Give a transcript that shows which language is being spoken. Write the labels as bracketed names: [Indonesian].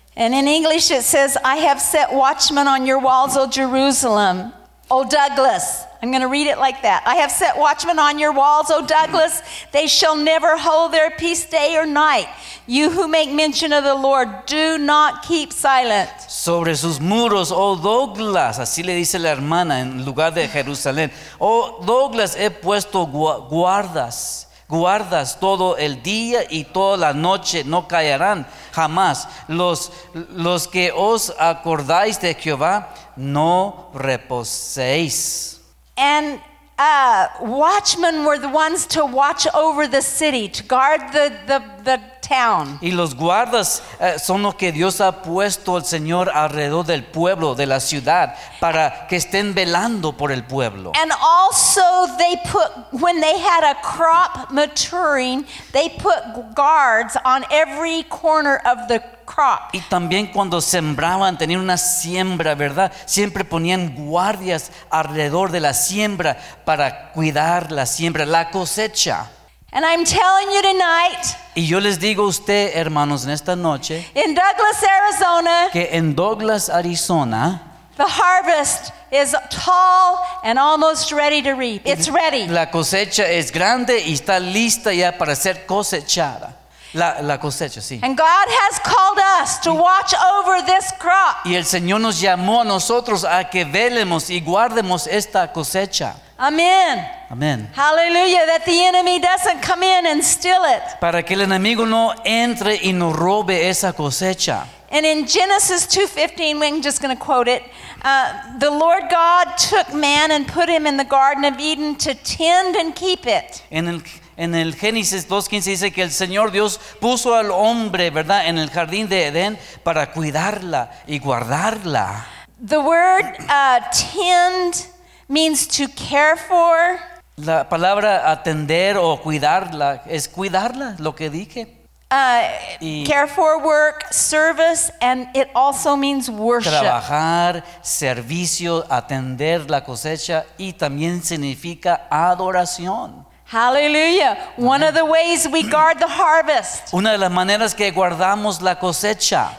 [English] And in English it says, I have set watchmen on your walls, O Jerusalem. O Douglas, I'm going to read it like that. I have set watchmen on your walls, O Douglas. They shall never hold their peace day or night. You who make mention of the Lord, do not keep silent. [Spanish] Sobre sus muros, O Douglas, así le dice la hermana en lugar de Jerusalén. O Douglas, he puesto guardas todo el día y toda la noche, no callarán jamás. Los que os acordáis de Jehová, no reposéis. [English] And watchmen were the ones to watch over the city, to guard the town. [Spanish] Y los guardas son los que Dios ha puesto al Señor alrededor del pueblo, de la ciudad, para que estén velando por el pueblo. [English] And also they put, when they had a crop maturing, they put guards on every corner of the crop. [Spanish] Y también cuando sembraban, tenían una siembra, ¿verdad? Siempre ponían guardias alrededor de la siembra para cuidar la siembra, la cosecha. [English] And I'm telling you tonight, [Spanish] y yo les digo a usted, hermanos, en esta noche, [English] in Douglas, Arizona, [Spanish] que en Douglas, Arizona, [English] the harvest is tall and almost ready to reap. It's ready. [Spanish] La cosecha es grande y está lista ya para ser cosechada. La cosecha, sí. [English] And God has called us to watch over this crop. [Spanish] Y el Señor nos llamó a nosotros a que velemos y guardemos esta cosecha. [English] Amen. Amen. Hallelujah, that the enemy doesn't come in and steal it. [Spanish] Para que el enemigo no entre y no robe esa cosecha. [English] And in Genesis 2:15, we're just going to quote it, the Lord God took man and put him in the Garden of Eden to tend and keep it. [Spanish] En el Génesis 2:15 dice que el Señor Dios puso al hombre, ¿verdad?, en el jardín de Edén para cuidarla y guardarla. [English] The word tend means to care for. [Spanish] La palabra atender o cuidarla es cuidarla, lo que dije. [English] Care for, work, service, and it also means worship. [Spanish] Trabajar, servicio, atender la cosecha y también significa adoración. [English] Hallelujah. Amen. One of the ways we guard the harvest. [Spanish] Una de las maneras que guardamos la cosecha.